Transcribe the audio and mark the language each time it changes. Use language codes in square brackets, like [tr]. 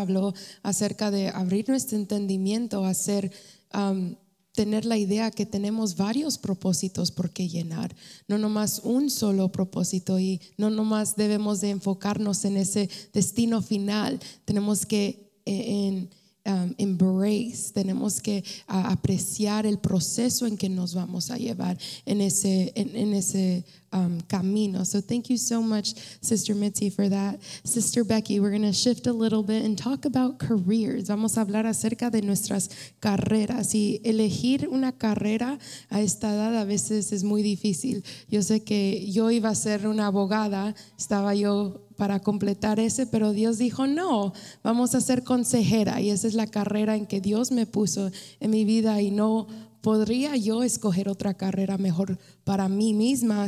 [es] Habló acerca de abrir nuestro entendimiento, hacer tener la idea que tenemos varios propósitos por qué llenar, no nomás un solo propósito, y no nomás debemos de enfocarnos en ese destino final. Tenemos que embrace, tenemos que apreciar el proceso en que nos vamos a llevar en ese camino. [en] So thank you so much, Sister Mitzi, for that. Sister Becky, we're going to shift a little bit and talk about careers. [es] Vamos a hablar acerca de nuestras carreras. Y elegir una carrera a esta edad a veces es muy difícil. Yo sé que yo iba a ser una abogada, estaba yo para completar ese, pero Dios dijo, no, vamos a ser consejera. Y esa es la carrera en que Dios me puso en mi vida y no podría yo escoger otra carrera mejor para mí misma.